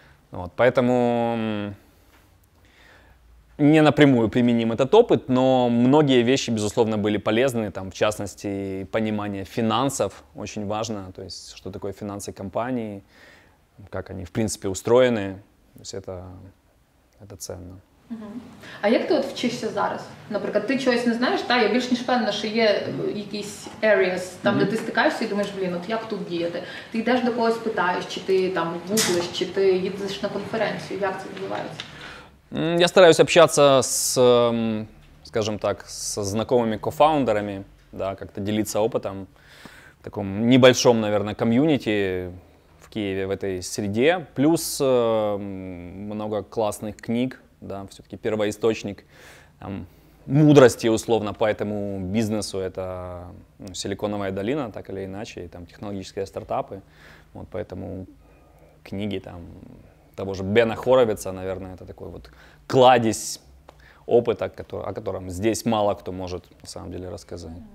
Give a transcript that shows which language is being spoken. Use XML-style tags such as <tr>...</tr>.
<ru>Вот, поэтому не напрямую применим этот опыт, но многие вещи, безусловно, были полезны. Там, в частности, понимание финансов очень важно. То есть, что такое финансы компании, как они, в принципе, устроены. То есть, это ценно.</ru> <uk>А як ти от вчишся зараз? Наприклад, ти чогось не знаєш, та я більш ніж певна, що є якісь areas, там, де ти стикаєшся і думаєш, блін, от як тут діяти? Ти йдеш до когось питаєш, чи ти там гуглиш, чи ти їдеш на конференцію, як це відбувається?</uk> <ru>Я стараюсь общаться з, скажем так, з знакомими кофаундерами, да, как-то ділитися опытом в такому небольшому, наверное, ком'юніті. В Києві, в этой среде, плюс много класних книг. Да, все-таки первоисточник там, мудрости, условно, по этому бизнесу — это, ну, Силиконовая долина, так или иначе, и там технологические стартапы. Вот, поэтому книги там, того же Бена Хоровица, наверное, это такой вот кладезь опыта, о котором здесь мало кто может, на самом деле, рассказать.</ru>